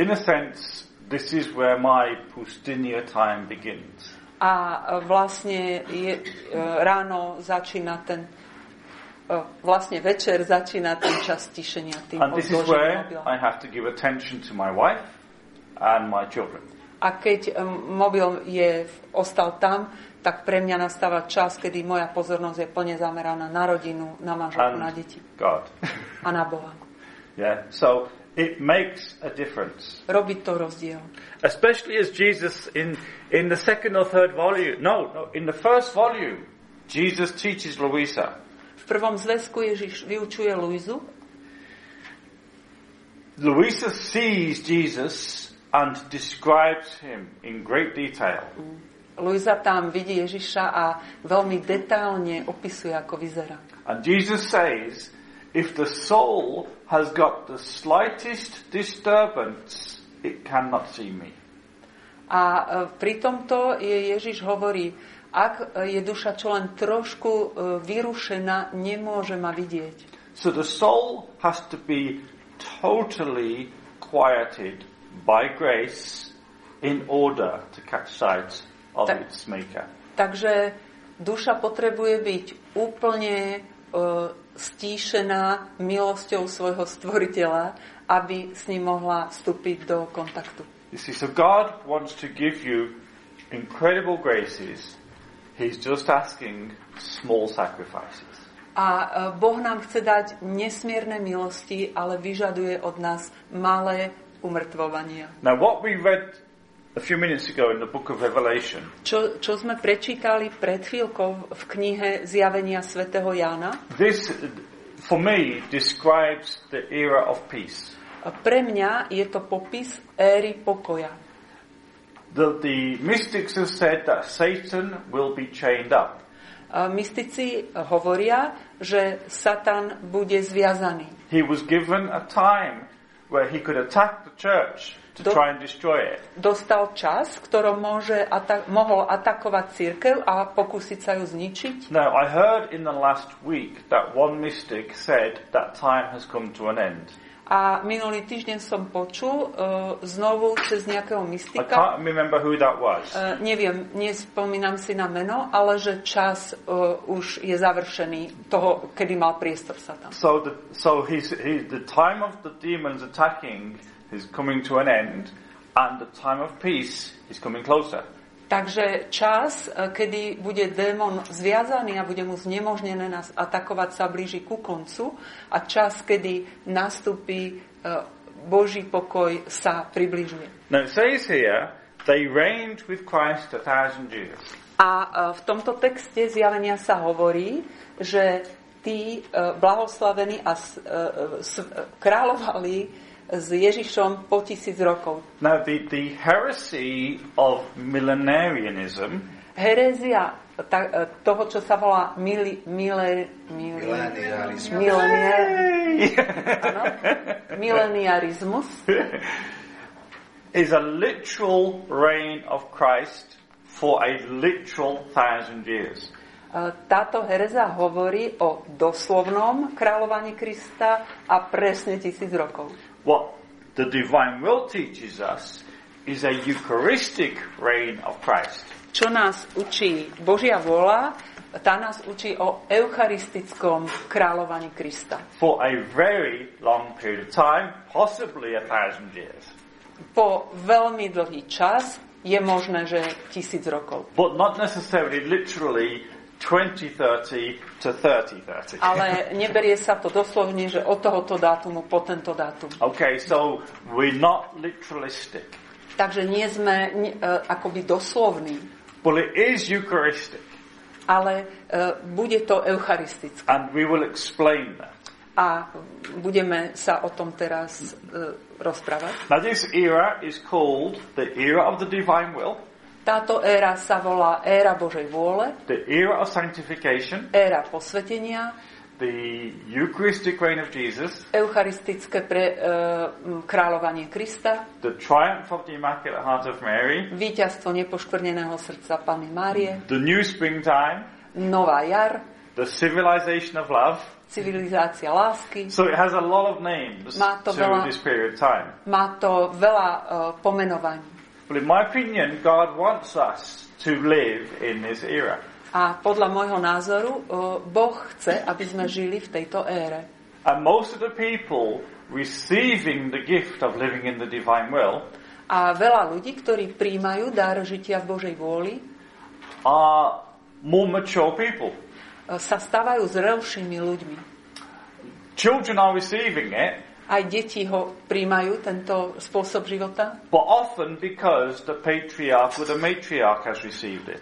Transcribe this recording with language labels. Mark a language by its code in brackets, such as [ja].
[en] In a sense, this is where my pustinia time begins. [sk] A vlastne je, ráno začína ten, vlastne večer začína ten čas tišenia. Tým [en] and this is where I have to give attention to my wife and my children. [sk] A keď mobil je ostal tam, tak pre mňa nastáva čas, kedy moja pozornosť je plne zameraná na rodinu, na manželku, na deti. [en] God. [sk] A na Boha. Yeah. [en] So it makes a difference. [sk] Robí to rozdiel. [en] Especially as Jesus in the second or third volume. No, in the first volume Jesus teaches Louisa. [sk] V prvom zväzku Ježiš vyučuje Luizu. [en] Louisa sees Jesus and describes him in great detail. [sk] Luisa tam vidí Ježiša a veľmi detailne opisuje, ako vyzerá. [en] And Jesus says, if the soul has got the slightest disturbance, it cannot see me. [sk] A pri tomto Ježiš hovorí, ak je duša čo len trošku vyrušená, nemôže ma vidieť. [en] So the soul has to be totally quieted by grace in order to catch sight of its maker. [sk] Takže duša potrebuje byť úplne stíšená milosťou svojho stvoriteľa, aby s ním mohla vstúpiť do kontaktu. [en] You see, so God wants to give you incredible graces. He's just asking small sacrifices. [sk] A Boh nám chce dať nesmierne milosti, ale vyžaduje od nás malé umrtvovania. [en] Now what we read a few minutes ago in the book of Revelation. [sk] Čo sme prečítali pred chvíľkou v knihe Zjavenia svätého Jána? [en] This for me describes the era of peace. [sk] Pre mňa je to popis éry pokoja. [en] The mystics have said that Satan will be chained up. [sk] Mystici hovoria, že Satan bude zviazaný. [en] He was given a time where he could attack the church to try and destroy it. [sk] Dostal čas, ktorom môže mohol atakovať cirkev a pokúsiť sa ju zničiť. [en] Now, I heard in the last week that one mystic said that time has come to an end. [sk] A minulý týždeň som počul znovu cez nejakého mystika. [en] I can't remember who that was. [sk] Neviem, nespomínam si na meno, ale že čas už je završený toho, kedy mal priestor Satan. [en] So the time of the demons attacking is coming to an end and the time of peace is coming closer. [sk] Takže čas, kedy bude démon zviazaný a bude mu znemožnené nás atakovať, sa blíži ku koncu a čas, kedy nastúpi Boží pokoj, sa približuje. [en] Now it says here, they reigned with Christ 1,000 years. [sk] A v tomto texte Zjavenia sa hovorí, že tí blahoslavení a kráľovali s Ježišom po 1000 rokov. [en] Now the heresy of millenarianism. [sk] Herezia toho, čo sa volá mileniarizmus. [en] Is a literal reign of Christ for a literal 1000 years. [sk] Táto hereza hovorí o doslovnom kráľovaní Krista a presne 1000 rokov. [en] What the divine will teaches us is a eucharistic reign of Christ. [sk] Čo nás učí Božia vôľa, tá nás učí o eucharistickom kráľovaní Krista. [en] For a very long period of time, possibly 1000 years. [sk] Po veľmi dlhý čas je možné, že 1000 rokov. [en] But not necessarily literally 20:30 to 30:30. [sk] Ale neberie sa to doslovne, že od tohoto dátumu po tento dátum. [en] Okay, so we're not literalistic. [sk] Takže nie sme akoby doslovní. [en] But it is eucharistic. [sk] Ale bude to eucharistické. [en] And we will explain that. [sk] A budeme sa o tom teraz rozprávať. [en] Now this era is called the era of the divine will. [sk] Táto éra sa volá éra Božej vôle. [en] The era of sanctification. [sk] Éra posvetenia. [en] The eucharistic reign of Jesus. [sk] Eucharistické kráľovanie Krista. [en] The triumph of the Immaculate Heart of Mary. [sk] Víťazstvo nepoškvrneného srdca Panny Márie. [en] The new springtime. [sk] Nová jar. [en] The civilization of love. [sk] Civilizácia lásky. [en] So it has a lot of names [sk] to veľa, [en] this period of time. [sk] Má to veľa pomenovaní. [en] But in my opinion, God wants us to live in this era. [sk] A podľa môjho názoru, Boh chce, aby sme žili v tejto ére. [en] And most of the people receiving the gift of living in the divine will. [sk] A veľa ľudí, ktorí prijímajú dar žitia v Božej vôli, [en] are more mature people. [sk] Sa stávajú zrelšími ľuďmi. [en] Children are receiving it. [sk] Aj deti ho prijímajú, tento spôsob života. [en] But often because the patriarch or the matriarch has received it.